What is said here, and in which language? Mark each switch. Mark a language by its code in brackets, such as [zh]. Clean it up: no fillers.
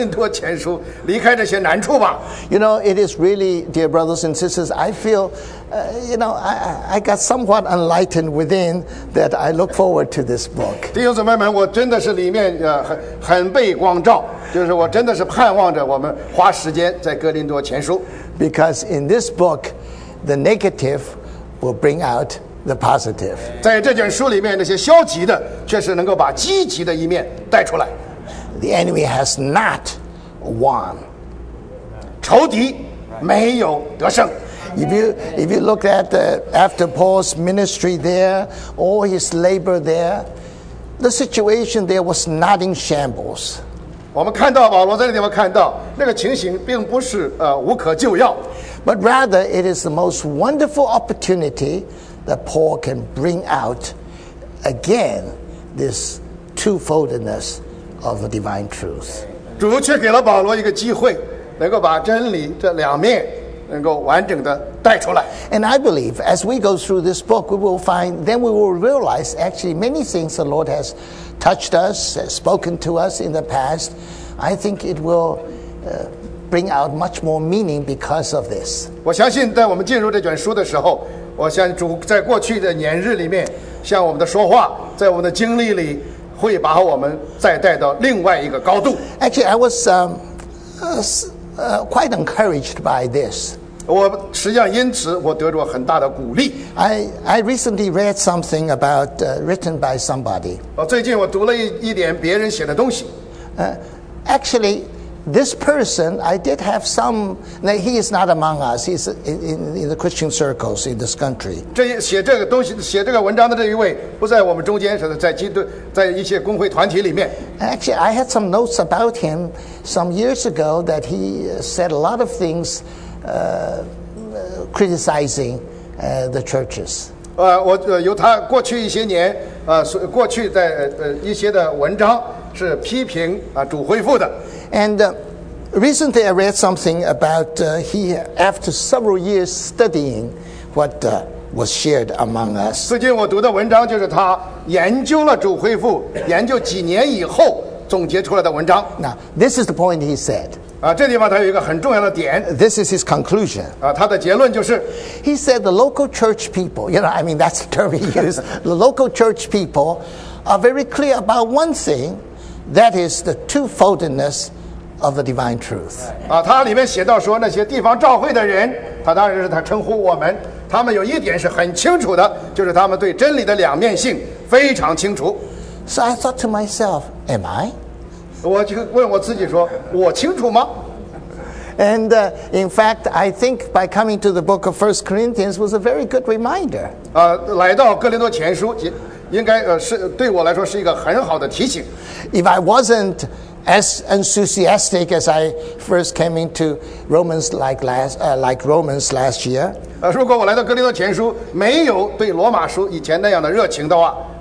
[zh] 从这些角度,这些观点我们再来看的时候,你就不会急着说,好了,赶紧离开哥林多前书,离开这些难处吧。 [en] You know, it is really, dear brothers and sisters, I feel, I got somewhat enlightened within that I look forward to this book. [zh] 弟兄姊妹们,我真的是里面很被光照,就是我真的是盼望着我们花时间在哥林多前书。 [en] Because in this book, the negative will bring out the positive. [zh] 在这卷书里面,那些消极的,确实能够把积极的一面带出来。 [en] The enemy has not won. [zh] 仇敌没有得胜。 [en] If you look at after Paul's ministry there, all his labor there, the situation there was not in shambles. [zh] 我们看到保罗在那地方看到那个情形并不是无可救药。 [en] But rather, it is the most wonderful opportunity that Paul can bring out again this twofoldness of the divine truth. [zh] 主却给了保罗一个机会，能够把真理这两面能够完整的带出来。 [en] And I believe as we go through this book, we will find, then we will realize actually many things the Lord has touched us, has spoken to us in the past. I think it will bring out much more meaning because of this. [zh] 我相信在我们进入这卷书的时候，我相信主在过去的年日里面向我们的说话，在我们的经历里会把我们再带到另外一个高度。 [en] Actually, I was quite encouraged by this. [zh] 我实际上因此我得着很大的鼓励。 [en] I recently read something about written by somebody. [zh] 最近我读了一点别人写的东西。 [en] Actually, this person, I did have some. Now he is not among us. He's in the Christian circles in this country. [zh] 这写这个东西、写这个文章的这一位不在我们中间，是在基督、在一些公会团体里面。 [en] Actually, I had some notes about him some years ago that he said a lot of things, criticizing the churches. [zh] 我由他过去一些年过去在一些的文章是批评主恢复的。 [en] And recently I read something about he, after several years studying what was shared among us. [zh] 最近我读的文章就是他研究了主恢复，研究几年以后总结出来的文章。 [en] Now, this is the point he said. [zh] 这地方他有一个很重要的点。 [en] This is his conclusion. [zh] 他的结论就是。 [en] He said the local church people, you know, I mean, that's the term he used. The local church people are very clear about one thing. That is the twofoldness of the divine truth. [zh] 他里面写到说那些地方召会的人，他当然是他称呼我们，他们有一点是很清楚的，就是他们对真理的两面性非常清楚。 [en] So I thought to myself, am I? [zh] 我就问我自己说，我清楚吗？ [en] And in fact, I think by coming to the book of 1 Corinthians was a very good reminder. [zh] 来到哥林多前书应该是对我来说是一个很好的提醒。 [en] If I wasn't as enthusiastic as I first came into Romans like Romans last year, [zh] 如果我来到哥林多前书没有对罗马书以前那样的热忱的话